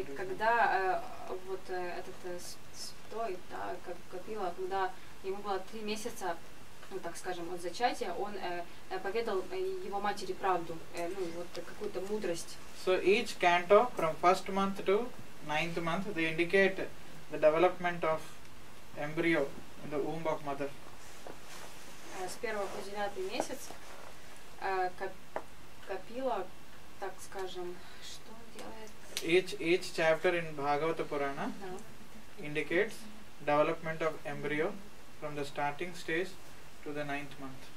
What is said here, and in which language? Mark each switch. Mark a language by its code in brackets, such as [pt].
[ru] И когда вот этот святой, да, как Капила, когда ему было 3 месяца, ну так скажем, от зачатия, он поведал его матери правду, ну вот какую-то мудрость. [en] So each canto from first month to ninth month they indicate the development of embryo in the womb of mother. [ru] С первого по девятый месяц Капила, так скажем, что он делает? [en] Each chapter in Bhagavata Purana indicates development of embryo from the starting stage to the ninth month.